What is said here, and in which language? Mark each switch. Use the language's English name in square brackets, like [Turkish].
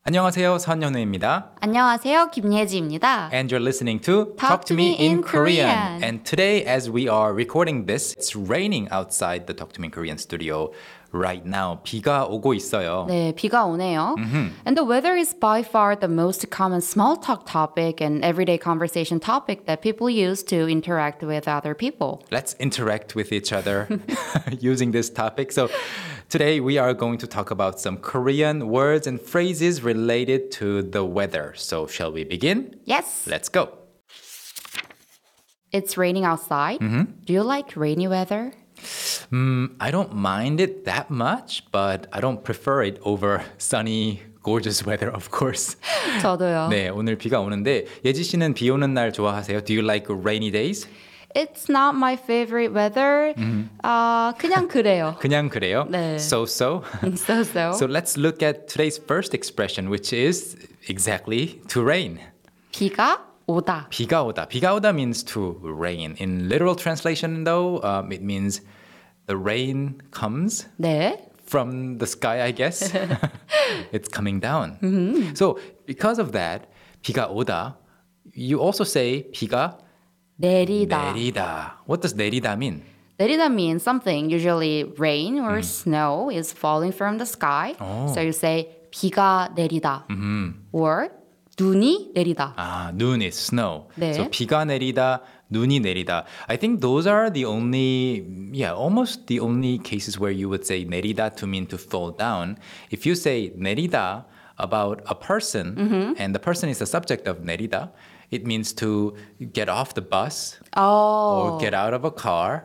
[Korean] 안녕하세요, 선현우입니다. 안녕하세요, 김예지입니다. [English] And you're listening to Talk to Me in Korean. And today, as we are recording this, it's raining outside the Talk to Me in Korean studio right now. [Korean] 비가 오고 있어요. 네, 비가 오네요. Mm-hmm. [English] And the weather is by far the most common small talk topic and everyday conversation topic that people use to interact with other people. Let's interact with each other using this topic. So today we are going to talk about some Korean words and phrases related to the weather. So shall we begin? Yes. Let's go. It's raining outside. Mm-hmm. Do you like rainy weather? I don't mind it that much, but I don't prefer it over sunny, gorgeous weather, of course. [Korean] 저도요. 네, 오늘 비가 오는데 예지 씨는 비 오는 날 좋아하세요? [English] Do you like rainy days? It's not my favorite weather. Mm-hmm. [Korean] 그냥 그래요. 그냥 그래요? 네. [English] So-so? So-so. So let's look at today's first expression, which is exactly to rain. [Korean] 비가 오다. 비가 오다. 비가 오다 [English] means to rain. In literal translation, though, it means the rain comes [Korean] 네. [English] from the sky, I guess. It's coming down. Mm-hmm. So because of that, [Korean] 비가 오다, [English] you also say [Korean] 비가 내리다. 내리다. [English] What does 내리다 mean? [Korean] 내리다 [English] means something, usually rain or snow is falling from the sky. Oh. So you say [Korean] 비가 내리다. Mm-hmm. Or 눈이 내리다. [English] Ah, [Korean] 눈 [English] is snow. [Korean] 네. [English] So [Korean] 비가 내리다, 눈이 내리다. [English] I think those are the only, almost the only cases where you would say [Korean] 내리다 [English] to mean to fall down. If you say [Korean] 내리다 [English] about a person, and the person is the subject of 내리다, it means to get off the bus or get out of a car,